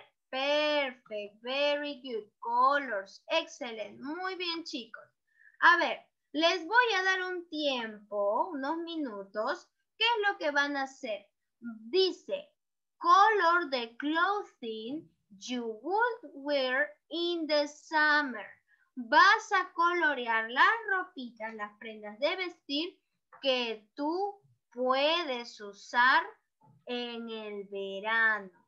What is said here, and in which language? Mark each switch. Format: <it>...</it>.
<en>Perfect, very good, colors, excellent,</en> <es>muy bien, chicos. A ver, les voy a dar un tiempo, unos minutos, ¿qué es lo que van a hacer?</es> <en>Dice, color the clothing you would wear in the summer.</en> <es>Vas a colorear las ropitas, las prendas de vestir que tú puedes usar en el verano.</es>